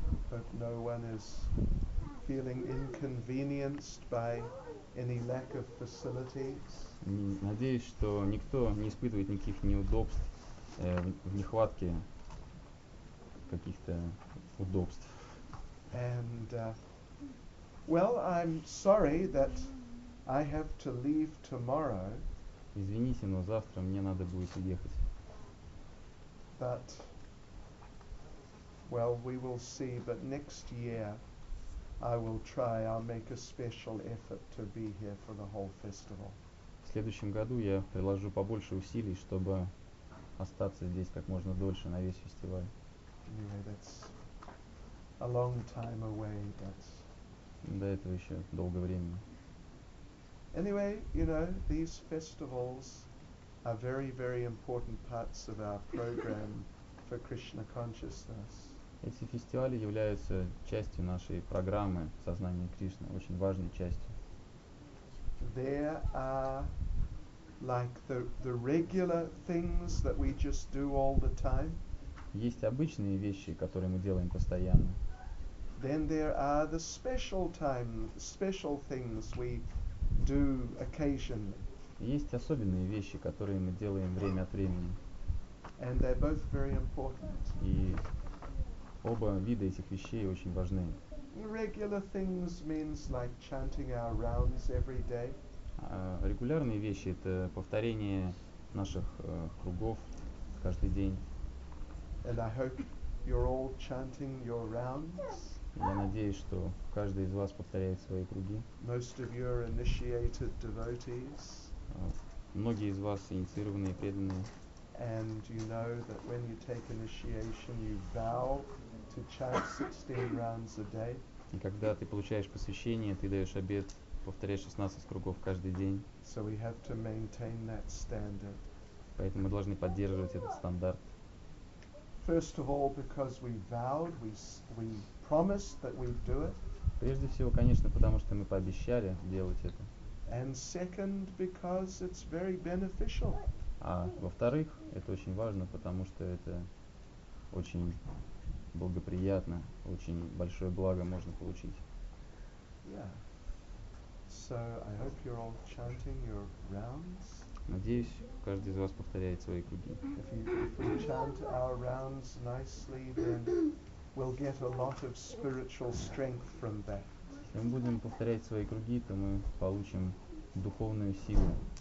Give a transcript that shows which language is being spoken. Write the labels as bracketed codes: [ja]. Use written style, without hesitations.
[en] Hope no one is feeling inconvenienced by any lack of facilities. [ru] Надеюсь, что никто не испытывает никаких неудобств в нехватке каких-то удобств. [en] And well, I'm sorry that I have to leave tomorrow. [ru] Извините, но завтра мне надо будет уехать. [en] But well, we will see, but next year I will try. I'll make a special effort to be here for the whole festival. [ru] В следующем году я приложу побольше усилий, чтобы остаться здесь как можно дольше на весь фестиваль. [en] Yeah, that's a long time away, but [ru] до этого еще долго времени. [en] Anyway, you know, these festivals are very, very important parts of our program for Krishna consciousness. [ru] Эти фестивали являются частью нашей программы сознания Кришны, очень важной частью. [en] There are like the regular things that we just do all the time. [ru] Есть обычные вещи, которые мы делаем постоянно. [en] Then there are the special times, special things we do occasionally. [ru] Есть особенные вещи, которые мы делаем время от времени. [en] And they're both very important. [ru] И оба вида этих вещей очень важны. [en] Regular things means like chanting our rounds every day. [ru] Регулярные вещи — это повторение наших кругов каждый день. [en] And I hope you're all chanting your rounds. [ru] Я надеюсь, что каждый из вас повторяет свои круги. [en] Most of you are initiated devotees. [ru] Многие из вас инициированные преданные. [en] And you know that when you take initiation, you vow to chant 16 rounds a day. [ru] И когда ты получаешь посвящение, ты даешь обет повторять 16 кругов каждый день. [en] So we have to maintain that standard. [ru] Поэтому мы должны поддерживать этот стандарт. [en] First of all, because we vowed, we promised that we'd do it. [ru] Прежде всего, конечно, потому что мы пообещали делать это. [en] And second, because it's very beneficial. [ru] А во-вторых, это очень важно, потому что это очень благоприятно, очень большое благо можно получить. [en] Yeah. So I hope you're all chanting your rounds. [ru] Надеюсь, каждый из вас повторяет свои круги. [en] If we chant our rounds nicely, then we'll get a lot of spiritual strength from that. [ru] Если мы будем повторять свои круги, то мы получим духовную силу.